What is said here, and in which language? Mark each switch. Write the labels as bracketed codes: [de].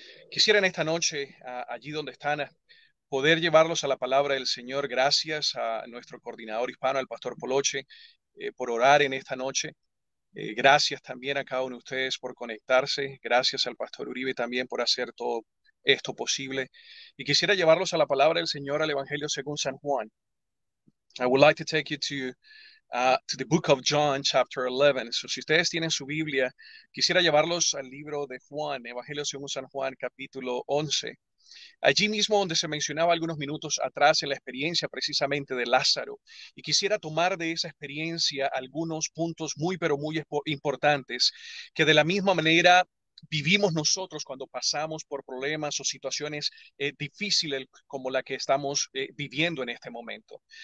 [es] Quisiera en esta noche, allí donde están, poder llevarlos a la palabra del Señor, gracias a nuestro coordinador hispano, el Pastor Poloche, por orar en esta noche. Gracias también a cada uno de ustedes por conectarse. Gracias al Pastor Uribe también por hacer todo esto posible. Y quisiera llevarlos a la palabra del Señor, al Evangelio según San Juan. [en] I would like to take you to the book of John, chapter 11. [es] So, si ustedes tienen su Biblia, quisiera llevarlos al libro de Juan, Evangelio según San Juan, capítulo 11. Allí mismo donde se mencionaba algunos minutos atrás en la experiencia precisamente de Lázaro. Y quisiera tomar de esa experiencia algunos puntos muy, pero muy importantes que de la misma manera vivimos nosotros cuando pasamos por problemas o situaciones difíciles como la que estamos viviendo en este momento.